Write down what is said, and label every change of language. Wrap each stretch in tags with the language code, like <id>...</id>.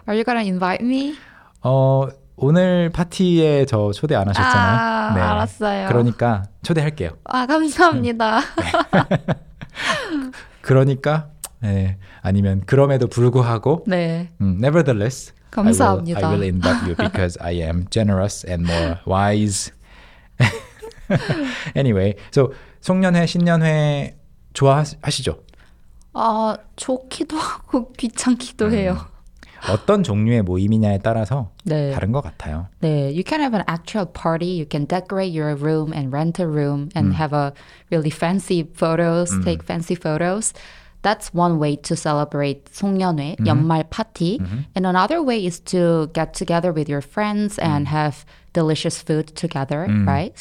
<en>Are you gonna invite me?</en> <ko>오늘 파티에 저 초대 안 하셨잖아요. 아, 네. 알았어요. 그러니까 초대할게요. 아, 감사합니다. 네. 그러니까 네. 아니면 그럼에도 불구하고 네.</ko> <en>Nevertheless,</en> <ko>감사합니다.</ko> <en>I will invite you because I am generous and more wise. Anyway, so 송년회, 신년회 좋아하시죠?</en> <ko>아, 좋기도 하고 귀찮기도 해요. 어떤 종류의 모임이냐에 따라서 네. 다른 것 같아요.</ko> <en>네, you can have an actual party. You can decorate your room and rent a room and have a really fancy photos, take fancy photos. That's one way to celebrate 송년회, 연말 파티. And another way is to get together with your friends and have delicious food together, right?</en>